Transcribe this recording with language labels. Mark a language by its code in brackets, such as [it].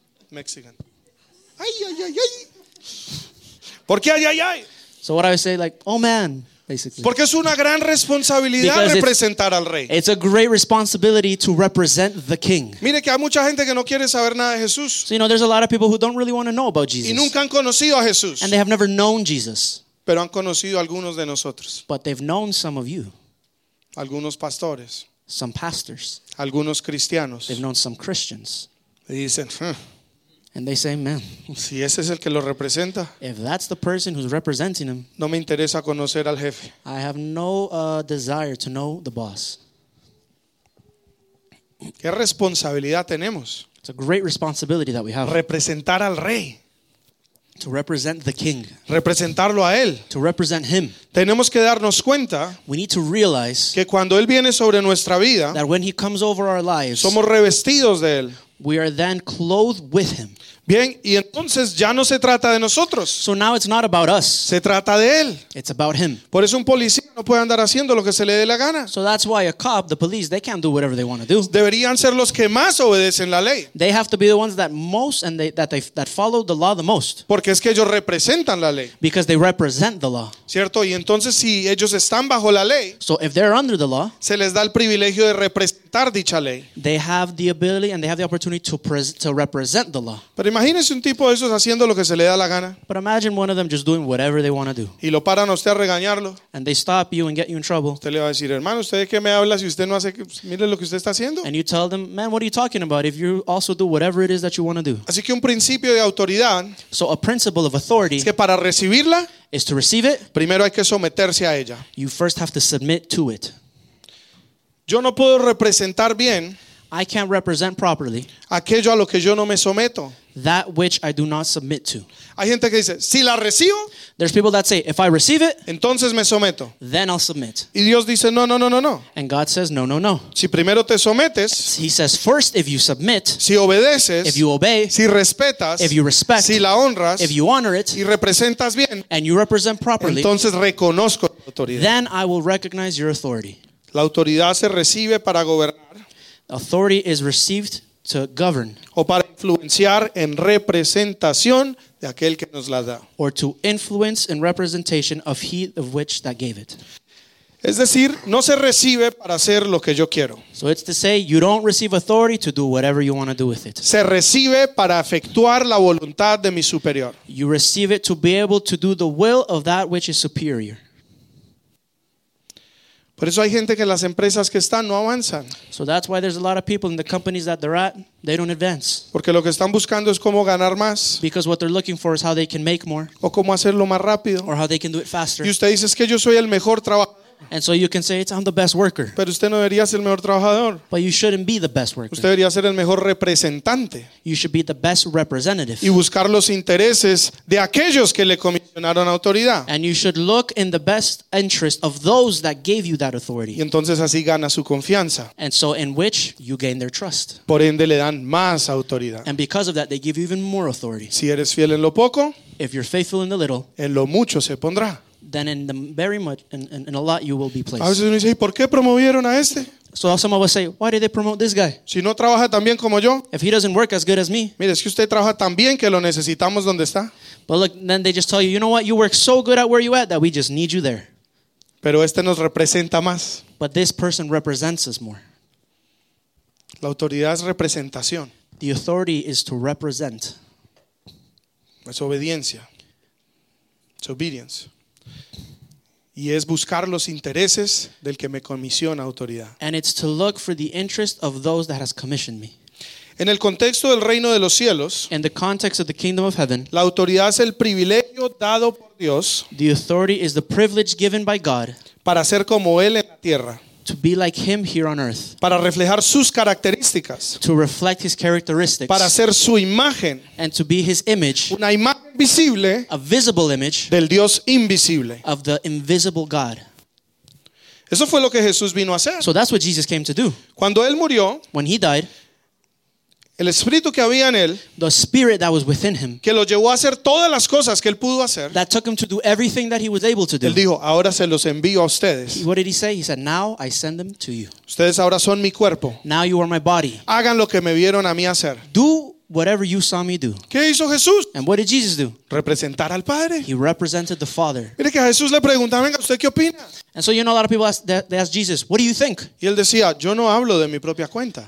[es] Mexican. Ay, ay, ay, ay. ¿Por qué ay, ay, ay? [en] So what I would say, like, oh man, basically. [es] Porque es una gran responsabilidad [en] because [es] representar al rey. [en] It's a great responsibility to represent the king. [es] Mire que hay mucha gente que no quiere saber nada de Jesús. [en] So, you know, there's a lot of people who don't really want to know about Jesus. [es] Y nunca han conocido a Jesús. [en] And they have never known Jesus. [es] Pero han conocido algunos de nosotros. [en] But they've known some of you. [es] Algunos pastores. [en] Some pastors. [es] Algunos cristianos. [en] They've known some Christians. [es] Y dicen, [en] And they say, "Amen." [es] Si ese es el que lo representa, [en] if that's the person who's representing him, [es] no me interesa conocer al jefe. [en] I have no desire to know the boss. [es] ¿Qué responsabilidad tenemos? [en] It's a great responsibility that we have. [es] Representar al rey. [en] To represent the king. [es] Representarlo a él. [en] To represent him. [es] Tenemos que darnos cuenta, [en] we need to realize, [es] que cuando él viene sobre nuestra vida, [en] that when he comes over our lives, [es] somos revestidos de él. [en] We are then clothed with him. [es] Bien, y entonces ya no se trata de nosotros. [en] So now it's not about us. [es] Se trata de él. [en] It's about him. [es] Por eso un policía no puede andar haciendo lo que se le dé la gana. [en] So that's why a cop, the police, they can't do whatever they want to do. [es] Deberían ser los que más obedecen la ley. [en] They have to be the ones that most and they, that they that follow the law the most. [es] Porque es que ellos representan la ley. [en] Because they represent the law. [es] ¿Cierto? Y entonces si ellos están bajo la ley, [en] so if they're under the law, [es] se les da el privilegio de representar dicha ley. [en] They have the ability and they have the opportunity to represent the law. [es] Pero imagínese un tipo de esos haciendo lo que se le da la gana. [en] But imagine one of them just doing whatever they want to do. [es] Y lo paran a usted a regañarlo. [en] And they stop you and get you in trouble. [es] Usted le va a decir, hermano, ¿usted de qué me habla si usted no hace que, mire lo que usted está haciendo? [en] And you tell them, man, what are you talking about if you also do whatever it is that you want to do? [es] Así que un principio de autoridad, [en] so a principle of authority, [es] es que para recibirla, [en] is to receive it, [es] primero hay que someterse a ella. [en] You first have to submit to it. [es] Yo no puedo representar bien, [en] I can't represent properly, [es] aquello a lo que yo no me someto, [en] that which I do not submit to. [es] Hay gente que dice, si la recibo, [en] there's people that say, if I receive it, [es] entonces me someto. [en] Then I'll submit. [es] Y Dios dice, no, no, no, no, no. [en] And God says, no, no, no. [es] Si primero te sometes, [en] he says, first if you submit, [es] si obedeces, [en] if you obey, [es] si respetas, [en] if you respect, [es] si la honras, [en] if you honor it, [es] y representas bien, [en] and you represent properly, [es] entonces reconozco la autoridad. [en] Then I will recognize your authority. [es] La autoridad se recibe para gobernar. [en] Authority is received to govern. [es] O para influenciar en representación de aquel que nos la da. [en] Or to influence in representation of he of which that gave it. [es] Es decir, no se recibe para hacer lo que yo quiero. [en] So it's to say you don't receive authority to do whatever you want to do with it. [es] Se recibe para efectuar la voluntad de mi superior. [en] You receive it to be able to do the will of that which is superior. [es] Por eso hay gente que las empresas que están no avanzan. [en] So that's why there's a lot of people in the companies that they're at, they don't advance. [es] Porque lo que están buscando es cómo ganar más. [en] Because what they're looking for is how they can make more. [es] O cómo hacerlo más rápido. [en] Or how they can do it faster. [es] Y usted dice, es que yo soy el mejor trabajador. [en] And so you can say, I'm the best worker. [es] Pero usted no debería ser el mejor trabajador. [en] But you shouldn't be the best worker. [es] Usted debería ser el mejor representante. [en] You should be the best representative. [es] Y buscar los intereses de aquellos que le comisionaron autoridad. [en] And you should look in the best interest of those that gave you that authority. [es] Y entonces así gana su confianza. [en] And so in which you gain their trust. [es] Por ende le dan más autoridad. [en] And because of that they give you even more authority. [es] Si eres fiel en lo poco, [en] if you're faithful in the little, [es] en lo mucho se pondrá. [en] Then in the very much in a lot you will be placed. [es] A veces uno dice, ¿por qué promovieron a este? [en] So some of us say, why did they promote this guy? [es] Si no trabaja tan bien como yo. [en] If he doesn't work as good as me. [es] Mire, es que usted trabaja tan bien que lo necesitamos donde está. [en] But look, then they just tell you, you know what? You work so good at where you at that we just need you there. [es] Pero este nos representa más. [en] But this person represents us more. [es] La autoridad es representación. [en] The authority is to represent. [es] Es obediencia. [en] It's obedience. [es] Y es buscar los intereses del que me comisiona autoridad. [en] And it's to look for the interest of those that has commissioned me. [es] En el contexto del reino de los cielos, [en] in the context of the kingdom of heaven, [es] la autoridad es el privilegio dado por Dios, [en] the authority is the privilege given by God, [es] para ser como Él en la tierra, [en] to be like Him here on earth, [es] para reflejar sus características, [en] to reflect His characteristics, [es] para ser su imagen, [en] and to be His image, [es] una imagen visible, [en] a visible image, [es] del Dios invisible, [en] of the invisible God. [es] Eso fue lo que Jesús vino a hacer. [en] So that's what Jesus came to do. [es] Cuando Él murió, [en] when He died, [es] el espíritu que había en él, [en] the spirit that was within him, [es] que lo llevó a hacer todas las cosas que él pudo hacer, [en] that took him to do everything that he was able to do. [es] Él dijo, ahora se los envío a ustedes. [en] What did he say? He said, now I send them to you. [es] Ustedes ahora son mi cuerpo. [en] Now you are my body. [es] Hagan lo que me vieron a mí hacer. [en] Do whatever you saw me do. [es] ¿Qué hizo Jesús? [en] And what did Jesus do? [es] Representar al Padre. [en] He represented the Father. [es] Mire que a Jesús le preguntaba, venga, ¿usted qué opina? [en] And so you know a lot of people ask Jesus, what do you think? [es] Y él decía, yo no hablo de mi propia cuenta.